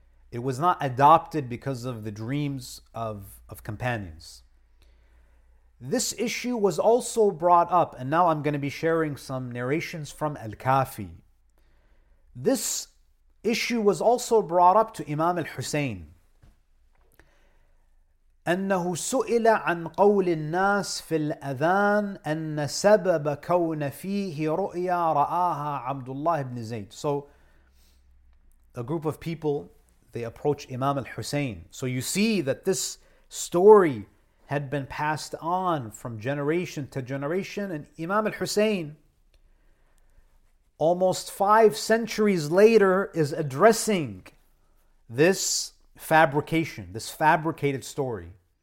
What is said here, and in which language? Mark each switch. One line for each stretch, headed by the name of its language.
English: It was not adopted because of the dreams of companions. This issue was also brought up, and now I'm going to be sharing some narrations from Al-Kafi. This issue was also brought up to Imam Al-Husayn.
Arabic: أنه سئل عن قول الناس في الأذان أن سبب كون فيه رؤيا رآها عبد الله بن زيد.
English: So a group of people, they approach Imam al-Husayn. So you see that this story had been passed on from generation to generation, and Imam al-Husayn, almost five centuries later, is addressing this fabrication, this fabricated story.